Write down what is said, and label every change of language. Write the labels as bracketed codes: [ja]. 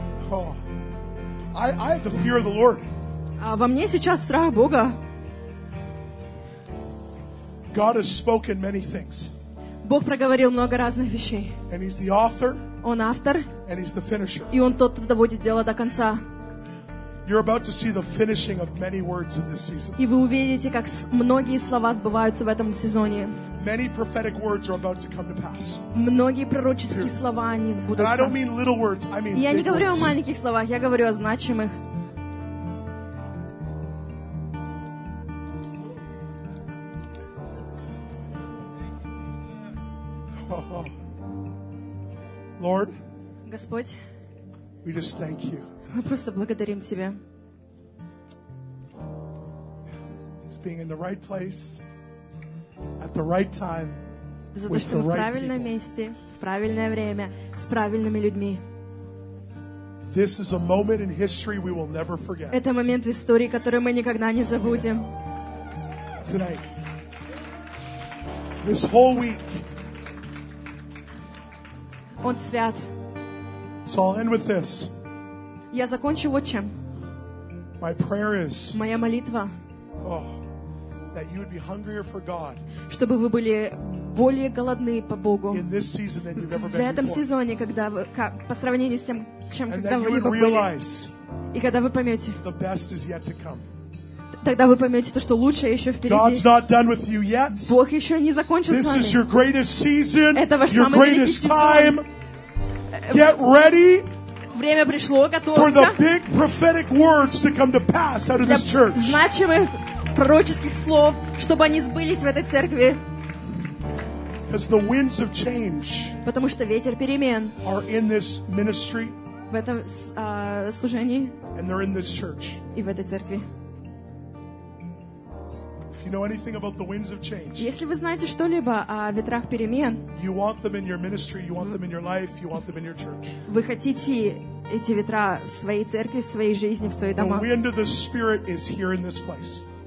[en] Oh, I have the fear of the Lord. [ru] Во мне сейчас страх Бога. [en] God has spoken many things. [ru] Бог проговорил много разных вещей. [en] And he's the author. [ru] Он автор. [en] And he's the finisher. [ru] И он тот, кто доводит дело до конца. [en] You're about to see the finishing of many words in this season. [ru] И вы увидите, как многие слова сбываются в этом сезоне. [en] Many prophetic words are about to come to pass. [ru] Многие пророческие слова они сбудутся. [en] And I don't mean little words, I mean big words. [ru] Я не говорю [en] words. [ru] О маленьких словах, я говорю о значимых. [en] Lord, [ru] Господь, [en] we just thank you. [ru] Мы просто благодарим Тебя. [en] It's being in the right place, at the right time, [ru] за то, что в правильном месте, в правильное время, с правильными людьми. [en] This is a moment in history we will never forget. [ru] Это момент в истории, который мы никогда не забудем. [en] Tonight, this whole week. [ru] Он свят. [en] So I'll end with this. [ru] Я закончу вот чем. [en] My prayer is, [ru] моя молитва, [en] oh, that you would be hungrier for God, [ru] чтобы вы были более голодны по Богу [en] in this season than you've ever [ru] в этом [en] before. [ru] Сезоне, когда вы, как, по сравнению с тем, чем [en] and [ru] когда вы [en] you [ru] были. И когда вы поймете, [en] the best is yet to come. [ru] Тогда вы поймете, то, что лучшее еще впереди. [en] God's not done with you yet. [ru] Бог еще не закончил [en] this [ru] с вами. [en] Is your greatest season, [ru] это ваш [en] your [ru] самый [en] greatest time. [ru] Сезон. [en] Get ready. [ru] Время пришло, готовься. [en] For the big prophetic words to come to pass out of this church. [ru] Для значимых пророческих слов, чтобы они сбылись в этой церкви. [en] Because the winds of change. [ru] Потому что ветер перемен. [en] Are in this ministry. [ru] В этом служении. [en] And they're in this church. [ru] И в этой церкви. [en] You know anything about the winds of change? [ru] Если вы знаете что-либо о ветрах перемен, [en] you want them in your ministry, you want them in your life, you want them in your church. [ru] Вы хотите эти ветра в своей церкви, в своей жизни, в свои дома. [en] The wind of the Spirit is here in this place.